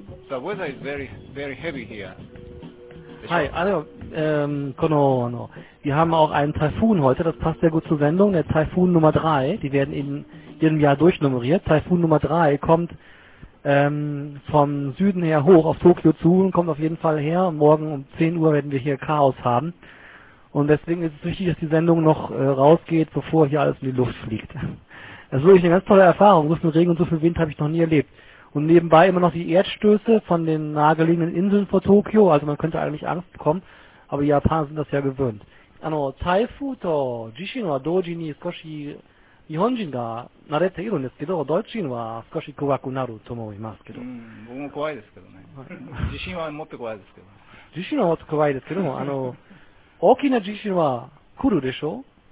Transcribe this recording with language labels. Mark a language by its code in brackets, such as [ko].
[en] The weather is very, very heavy here. [de] Hi, also, Kono, wir haben auch einen Taifun heute, das passt sehr gut zur Sendung, der Taifun Nummer 3, die werden in jedem Jahr durchnummeriert. Taifun Nummer 3 kommt vom Süden her hoch auf Tokio zu und kommt auf jeden Fall her. Morgen um 10 Uhr werden wir hier Chaos haben. Und deswegen ist es wichtig, dass die Sendung noch rausgeht, bevor hier alles in die Luft fliegt. Das ist wirklich eine ganz tolle Erfahrung. So viel Regen und so viel Wind habe ich noch nie erlebt. Und nebenbei immer noch die Erdstöße von den nahegelegenen Inseln vor Tokio. Also man könnte eigentlich Angst bekommen, aber die Japaner sind das ja gewöhnt. [ja] Taifu to Jishin wa Doji ni Skoshi... 日本人が慣れているんですけど、ドイツ人は少し怖くなると思いますけど。僕も怖いですけどね。地震はもっと怖いですけど。地震はもっと怖いですけども、大きな地震は来るでしょ。